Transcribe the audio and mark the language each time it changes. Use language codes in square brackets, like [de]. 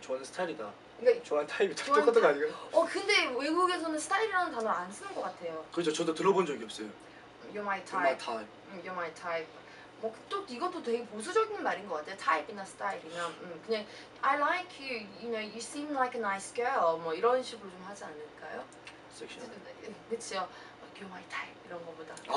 [ko] 좋아하는 스타일이다 그러니까 좋아하는 타입이 다 똑같은 거 아니에요? 근데 외국에서는 스타일이라는 단어 안 쓰는 것 같아요. 그렇죠. 저도 들어본 적이 없어요. [en] You're my type. You're my type. [ko] 뭐 또 이것도 되게 보수적인 말인 것 같아. 타입이나 스타일이나 그냥 [en] I like you, you know, you seem like a nice girl [ko] 뭐 이런 식으로 좀 하지 않을까요? 그치요. [en] You're my type [ko] 이런 것보다.